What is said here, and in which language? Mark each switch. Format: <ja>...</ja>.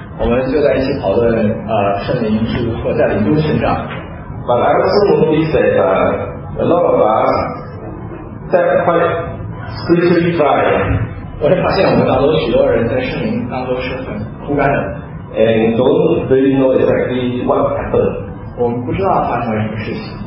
<zh>我们就在一起讨论圣灵是如何在灵中成长。</zh> <en>But I also noticed that a lot of us are quite spiritually dry.</en> <zh>我也发现我们当中许多人在圣灵当中是很枯干的。</zh> <en>And don't really know exactly what happened.</en> <zh>我们不知道发生了什么事情。</zh>